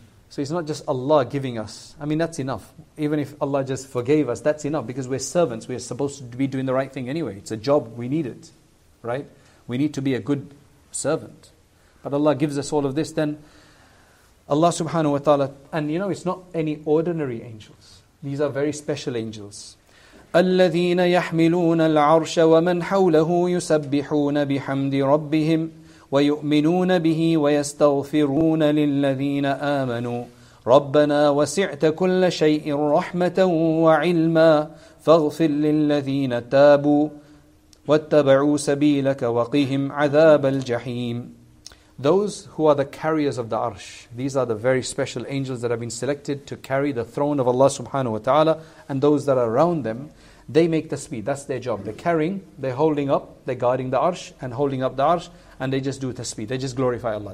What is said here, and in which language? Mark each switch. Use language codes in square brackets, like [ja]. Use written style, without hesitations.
[en] So it's not just Allah giving us. I mean, that's enough. Even if Allah just forgave us, that's enough. Because we're servants. We're supposed to be doing the right thing anyway. It's a job. We need it. Right? We need to be a good servant. But Allah gives us all of this. Then Allah subhanahu wa ta'ala. And you know, it's not any ordinary angels. These are very special angels. [ar] الذين يحملون العرش ومن حوله يسبحون بحمد ربهم ويؤمنون به ويستغفرون للذين آمنوا ربنا وسعت كل شيء رحمة وعلما فاغفر للذين تابوا واتبعوا سبيلك وقهم عذاب الجحيم. [en] Those who are the carriers of the arsh, these are the very special angels that have been selected to carry the throne of Allah subhanahu wa ta'ala, and those that are around them, they make the speed. That's their job. They're carrying, they're holding up, they're guarding the arsh and holding up the arsh, and they just do the speed. They just glorify Allah.